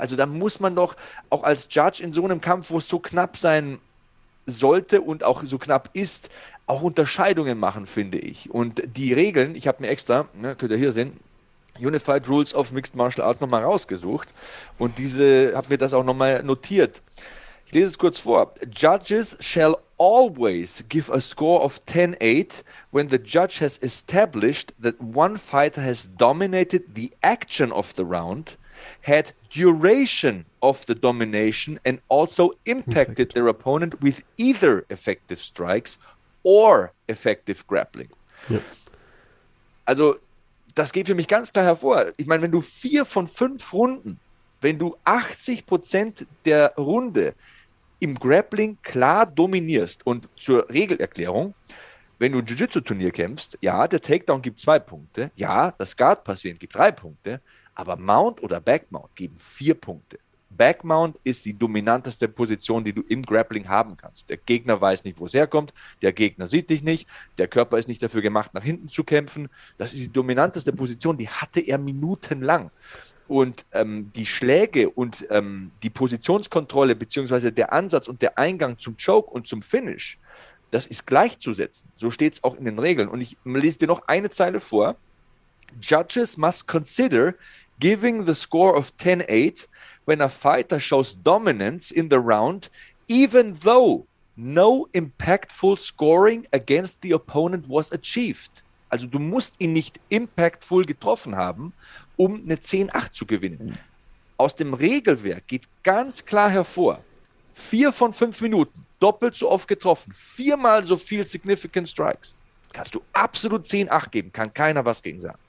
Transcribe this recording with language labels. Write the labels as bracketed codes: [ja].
[de] Also da muss man doch auch als Judge in so einem Kampf, wo es so knapp sein sollte und auch so knapp ist, auch Unterscheidungen machen, finde ich. Und die Regeln, ich habe mir extra, ne, könnt ihr hier sehen, Unified Rules of Mixed Martial Arts nochmal rausgesucht und diese, habe mir das auch nochmal notiert. Ich lese es kurz vor. [en] Judges shall always give a score of 10-8 when the judge has established that one fighter has dominated the action of the round, had duration of the domination and also impacted their opponent with either effective strikes or effective grappling. Yep. [de] Also, das geht für mich ganz klar hervor. Ich meine, wenn du 4 von 5 Runden, wenn du 80% der Runde im Grappling klar dominierst. Und zur Regelerklärung, wenn du ein Jiu-Jitsu-Turnier kämpfst, ja, der Takedown gibt 2 Punkte, ja, das Guard-Passieren gibt 3 Punkte, aber Mount oder Backmount geben 4 Punkte. Backmount ist die dominanteste Position, die du im Grappling haben kannst. Der Gegner weiß nicht, wo es herkommt, der Gegner sieht dich nicht, der Körper ist nicht dafür gemacht, nach hinten zu kämpfen. Das ist die dominanteste Position, die hatte er minutenlang. Und die Schläge und die Positionskontrolle beziehungsweise der Ansatz und der Eingang zum Choke und zum Finish, das ist gleichzusetzen. So steht es auch in den Regeln. Und ich lese dir noch eine Zeile vor. [en] Judges must consider giving the score of 10-8 when a fighter shows dominance in the round, even though no impactful scoring against the opponent was achieved. [de] Also du musst ihn nicht impactful getroffen haben, um eine 10-8 zu gewinnen. Aus dem Regelwerk geht ganz klar hervor, 4 von 5 Minuten, doppelt so oft getroffen, 4-mal so viel Significant Strikes, kannst du absolut 10-8 geben, kann keiner was gegen sagen.